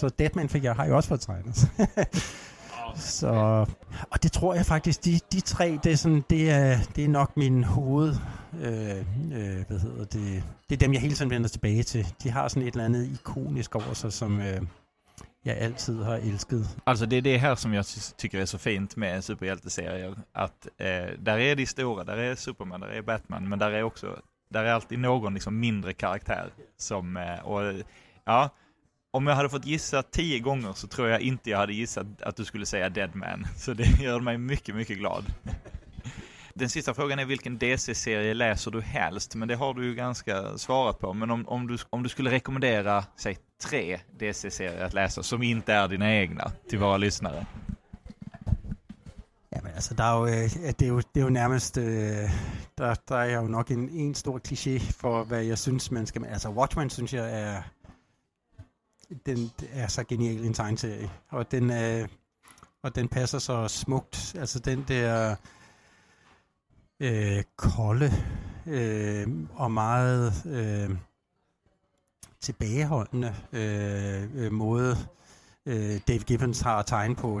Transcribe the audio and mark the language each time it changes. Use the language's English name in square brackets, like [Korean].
[Danish] Så Deadman fik jeg, har jeg også fået tegnet. Så, og det tror jeg faktisk, de tre, det er, sådan, det er nok min hoved, hvad hedder det, det er dem, jeg hele tiden vender tilbage til. De har sådan et eller andet ikonisk over sig, som jeg altid har elsket. Altså det er det her, som jeg [Swedish] tycker er så fint med superhjälteserier, at der er de stora, där är Superman, där är Batman, men där är också, där är alltid någon liksom mindre karaktär som, om jag hade fått gissa 10 gånger så tror jag inte jag hade gissat att du skulle säga Deadman. Så det gör mig mycket, mycket glad. Den sista frågan är vilken DC-serie läser du helst? Men det har du ju ganska svarat på. Men om du skulle rekommendera, säg, 3 DC-serier att läsa som inte är dina egna till våra lyssnare. Ja, men alltså, det är ju närmast... Där är jag ju nog en stor kliché för vad jag syns man ska... Alltså, Watchmen syns jag är... [Danish] Den er så genial en tegneserie, og den passer så smukt. Altså den der kolde og meget tilbageholdende måde, Dave Gibbons har at tegne på.